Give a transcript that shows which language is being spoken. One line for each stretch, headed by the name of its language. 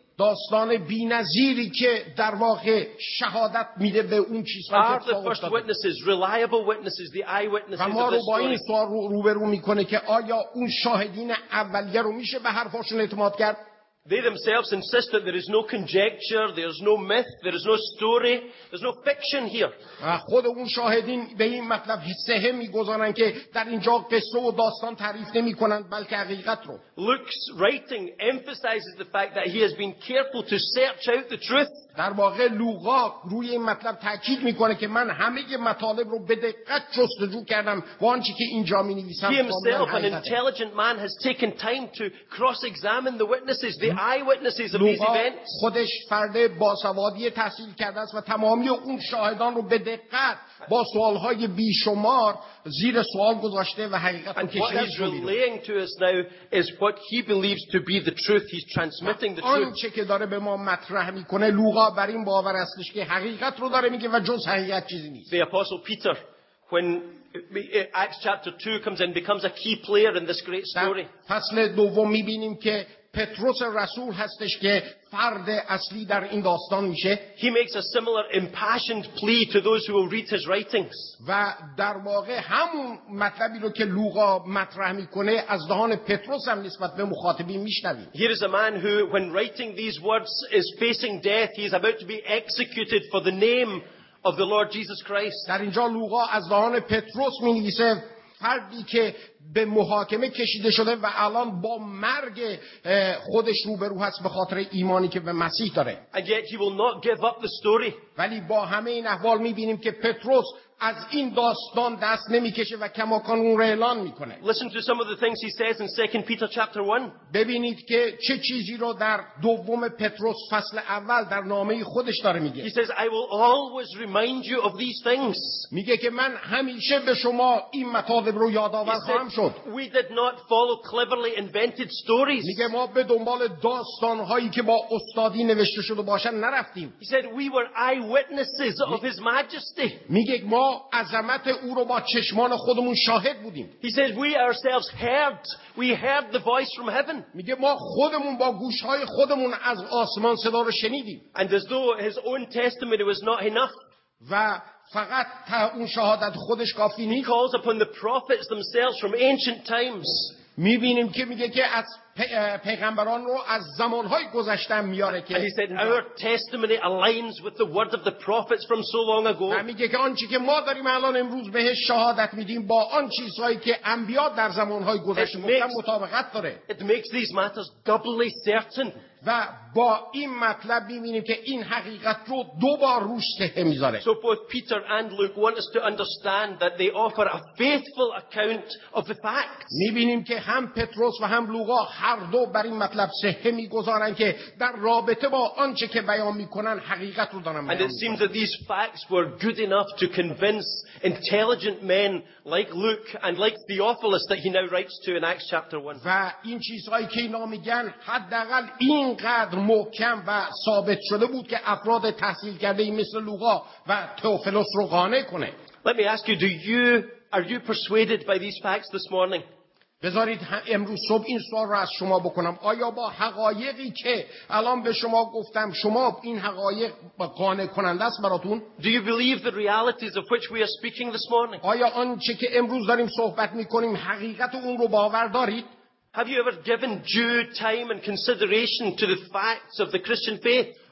Persian: داستان بی‌نظیری که در واقع شهادت میده به اون چیزهایی که اتفاق افتاده.
English: Are the first witnesses reliable witnesses, the eyewitnesses of this story?
Persian: و ما رو با این سوال روبرو میکنه که آیا اون شاهدین اولیه رو میشه به حرفاشون اعتماد کرد؟
English: They themselves insist that there is no conjecture, there is no myth, there is no story, there is no fiction here.
Persian: خود اون شاهدین به این مطلب حسه میگذارن که در اینجا قصه و داستان تعریف نمی کنند بلکه حقیقت رو.
English: Luke's writing emphasizes the fact that he has been careful to search out the truth.
Persian: در واقع لوقا روی این مطلب تاکید میکنه که من همه مطالب رو به دقت جستجو کردم و آنچه که اینجا می نویسم
English: He himself, an intelligent man, has taken time to cross-examine the witnesses, the eyewitnesses of these events.
Persian: لوقا خودش فرد باسوادی تحصیل کرده است و تمامی اون شاهدان رو به دقت با سوالهای بیشمار زیر سوال گذاشته و حقیقت رو کشیده.
English: What he's relaying to us now is what he believes to be the truth. He's transmitting the truth.
Persian: آنچه که داره به ما مطرح میکنه لوقا بر این باور هستش که حقیقت رو داره میگه و جز حقیقت چیزی نیست.
English: The apostle Peter, when Acts chapter 2 comes in, becomes a key player in this great story.
Persian: فصل دوم میبینیم که پتروس رسول هستش که فرد اصلی در این داستان میشه.
English: He makes a similar impassioned plea to those who will read his writings.
Persian: و در واقع همون مطلبی رو که لوقا مطرح میکنه از دهان پتروس هم نسبت به مخاطبین میشنویم.
English: Here is a man who when writing these words is facing death. He is about to be executed for the name of the Lord Jesus Christ.
Persian: در اینجا لوقا از دهان پتروس مینویسه فردی که به محاکمه کشیده شده و الان با مرگ خودش روبرو هست به خاطر ایمانی که به مسیح داره.
English: And yet he will not give up the story.
Persian: ولی با همه این احوال میبینیم که پتروس از این داستان دست نمیکشه و کماکان اون رو اعلان میکنه.
English: Listen to some of the things he says in 2 Peter chapter 1.
Persian: ببینید که چه چیزی رو در دوم پتروس فصل اول در نامه خودش داره میگه.
English: He says I will always remind you of these things.
Persian: میگه که من همیشه به شما این مطالب رو یادآور خواهم شد.
English: We did not follow cleverly invented stories.
Persian: میگه ما به دنبال داستان هایی که با استادی نوشته شده باشن نرفتیم.
English: He said we were eyewitnesses of his majesty.
Persian: میگه ما عظمت او رو با چشمان خودمون شاهد بودیم.
English: He says we ourselves heard. We heard the voice from heaven.
Persian: میگه ما خودمون با گوشهای خودمون از آسمان صدا رو شنیدیم.
English: And as though his own testimony was not enough.
Persian: و فقط تا اون شهادت خودش کافی نیست.
English: He calls upon the prophets themselves from ancient times.
Persian: میبینیم که میگه که از پیغمبران رو از زمانهای گذشته میاره که.
English: And he said our testimony aligns with the word of the prophets from so long ago.
Persian: و میگه که آنچه که ما داریم الان امروز بهش شهادت میدیم با آن چیزهایی که انبیا در زمانهای گذشته گفتن مطابقت داره.
English: It makes these matters doubly certain.
Persian: و با این مطلب می‌بینیم که این حقیقت رو دوبار روش صحه می‌ذاره.
English: So both Peter and Luke want us to understand that they offer a faithful account of the facts.
Persian: می‌بینیم که هم پتروس و هم لوقا هر دو بر این مطلب صحه می‌گذارن که در رابطه با آنچه که بیان می‌کنن حقیقت رو دارن بیان می‌کنن.
English: And it seems that these facts were good enough to convince intelligent men like Luke and like Theophilus that he now writes to in Acts chapter 1.
Persian: و این چیزهایی که اینا میگن حداقل اینقدر محکم و ثابت شده بود که افراد تحصیل کرده مثل لوقا و تئوفیلوس رو قانع کنه.
English: Let me ask you, are you persuaded by these facts this morning?
Persian: بذارید امروز صبح این سوال رو از شما بکنم. آیا با حقایقی که الان به شما گفتم شما این حقایق قانع کننده است براتون؟
English: Do you believe the realities of which we are speaking this morning?
Persian: آیا آنچه که امروز داریم صحبت میکنیم حقیقت اون رو باور دارید؟
English: Have you ever given due time and consideration to the facts of the Christian faith?